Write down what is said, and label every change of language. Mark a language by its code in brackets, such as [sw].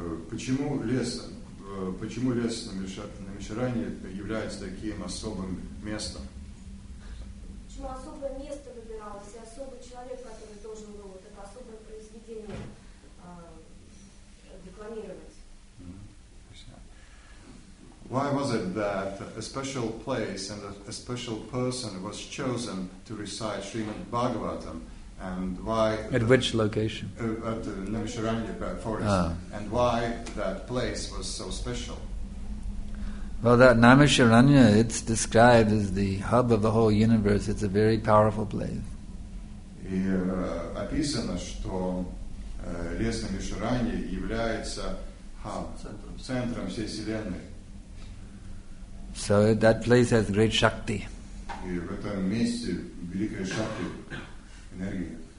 [ru] Почему лес, на Мишаране является таким особым местом? Почему особое место выбиралось, и особый человек, который должен был вот это особое произведение декламировать? [en] Why was it that a special place and a special person was chosen to recite Srimad Bhagavatam? And why at which location? At the Namisharanya forest. And why that place was so special? Well, that Namisharanya, it's described as the hub of the whole universe. It's a very powerful place. [ru] И описано, что лес Намишаранья является центром всей вселенной. [en] So that place has great shakti. [ru] И в этом месте великая шакти, энергия.